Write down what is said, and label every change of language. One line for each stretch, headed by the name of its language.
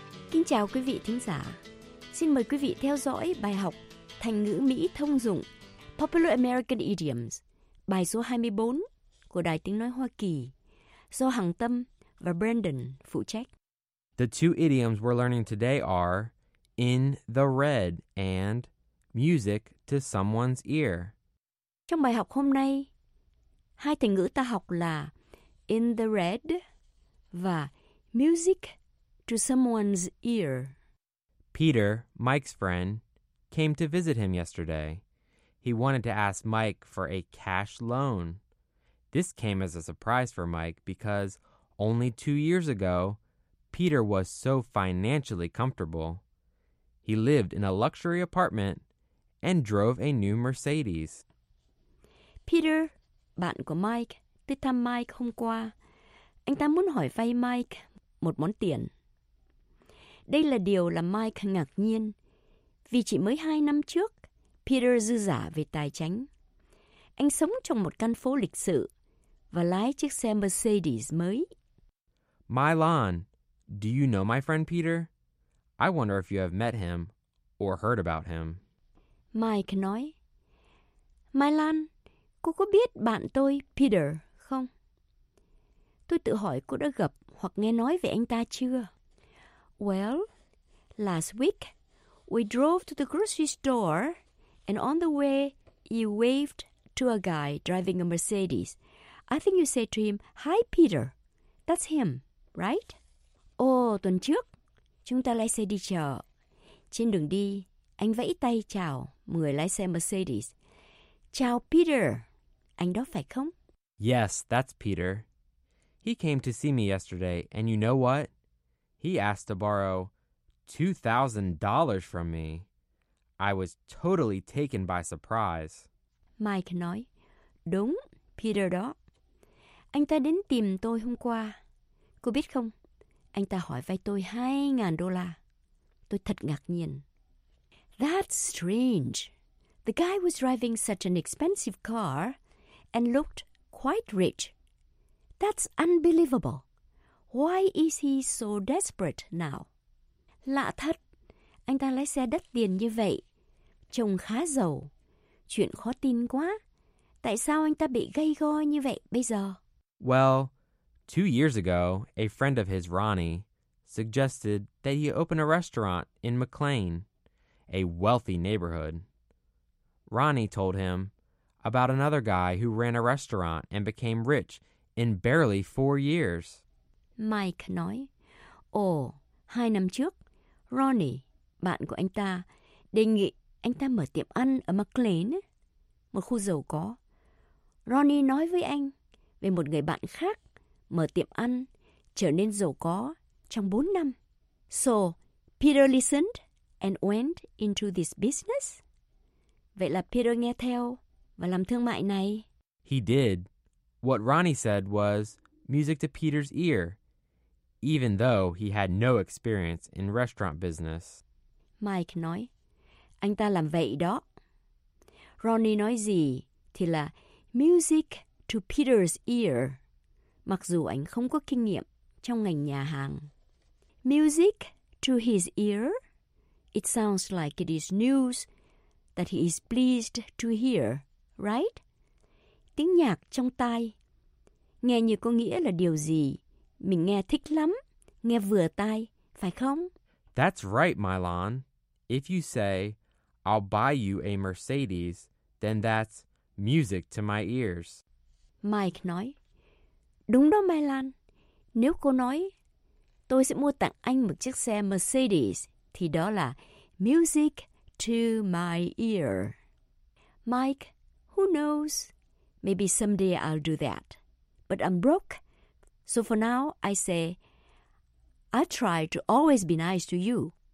Vietnamese: Kính chào quý vị thính giả. Xin mời quý vị theo dõi bài học thành ngữ Mỹ thông dụng
English: Popular American Idioms,
Vietnamese: bài số 24 của Đài Tiếng Nói Hoa Kỳ, do Hằng Tâm và Brandon phụ trách.
English: The two idioms we're learning today are in the red and music to someone's ear.
Vietnamese: Trong bài học hôm nay, hai thành ngữ ta học là
English: in the red
Vietnamese: và
English: music to someone's ear. Peter, Mike's friend, came to visit him yesterday. He wanted to ask Mike for a cash loan. This came as a surprise for Mike because only 2 years ago, Peter was so financially comfortable. He lived in a luxury apartment and drove a new Mercedes.
Vietnamese: Peter, bạn của Mike, tới thăm Mike hôm qua. Anh ta muốn hỏi vay Mike một món tiền. Đây là điều làm Mike ngạc nhiên, vì chỉ mới 2 năm trước, Peter dư giả về tài chính. Anh sống trong một căn phố lịch sự và lái chiếc xe Mercedes mới.
English: Milan, do you know my friend Peter? I wonder if you have met him or heard about him.
Vietnamese: Mike nói, Milan, cô có biết bạn tôi Peter không? Tôi tự hỏi cô đã gặp hoặc nghe nói về anh ta chưa?
English: Well, last week, we drove to the grocery store, and on the way, you waved to a guy driving a Mercedes. I think you said to him, hi, Peter. That's him, right?
Vietnamese: Oh, tuần trước, chúng ta lái xe đi chợ. Trên đường đi, anh vẫy tay chào người lái xe Mercedes. Chào, Peter. Anh đó phải không?
English: Yes, that's Peter. He came to see me yesterday, and you know what? He asked to borrow $2,000 from me. I was totally taken by surprise.
Vietnamese: Mike nói, đúng, Peter đó. Anh ta đến tìm tôi hôm qua. Cô biết không, anh ta hỏi vay tôi $2,000. Tôi thật ngạc nhiên.
English: That's strange. The guy was driving such an expensive car and looked quite rich. That's unbelievable. Why is he so desperate now?
Vietnamese: Lạ thật, anh ta lái xe đắt tiền như vậy. Trông khá giàu. Chuyện khó tin quá. Tại sao anh ta bị gay go như vậy bây giờ?
English: Well, 2 years ago, a friend of his, Ronnie, suggested that he open a restaurant in McLean, a wealthy neighborhood. Ronnie told him about another guy who ran a restaurant and became rich in barely 4 years.
Vietnamese: Mike nói, ồ, 2 năm trước, Ronnie, bạn của anh ta, đề nghị anh ta mở tiệm ăn ở McLean, một khu giàu có. Ronnie nói với anh về một người bạn khác mở tiệm ăn, trở nên giàu có trong 4 năm.
English: So, Peter listened and went into this business?
Vietnamese: Vậy là Peter nghe theo và làm thương mại này.
English: He did. What Ronnie said was music to Peter's ear, even though he had no experience in restaurant business.
Vietnamese: Mike nói, anh ta làm vậy đó. Ronnie nói gì thì là
English: music to Peter's ear,
Vietnamese: mặc dù anh không có kinh nghiệm trong ngành nhà hàng.
English: Music to his ear? It sounds like it is news that he is pleased to hear, right?
Vietnamese: Tiếng nhạc trong tai. Nghe như có nghĩa là điều gì mình nghe thích lắm, nghe vừa tai, phải không?
English: That's right, Milan. If you say, I'll buy you a Mercedes, then that's music to my ears.
Vietnamese: Mike nói, đúng đó, Milan. Nếu cô nói, tôi sẽ mua tặng anh một chiếc xe Mercedes, thì đó là
English: music to my ear. Mike, who knows? Maybe someday I'll do that. But I'm broke. So for now, I say, I try to always be nice to you.